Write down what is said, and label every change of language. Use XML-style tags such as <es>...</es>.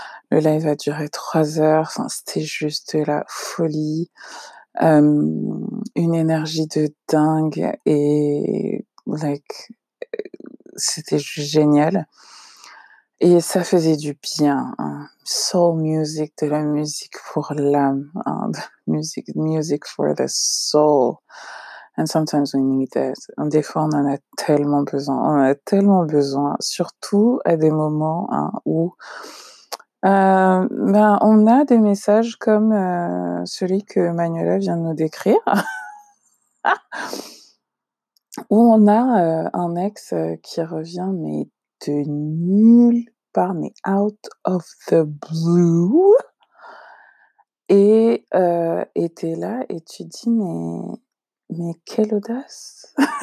<fr>Le live a duré 3h, enfin, c'était juste de la folie. Une énergie de dingue et like c'était juste génial et ça faisait du bien, hein. Soul music, de la musique pour l'âme, hein.</fr> <en>music for the soul, and sometimes we need that.</en> <fr>Des fois on en a tellement besoin, surtout à des moments, hein, où ben, on a des messages comme celui que Manuela vient de nous décrire, où on a un ex qui revient, mais de nulle part, mais</fr> <en>out of the blue,</en> <fr>et t'es là et tu te dis, mais quelle audace!</fr>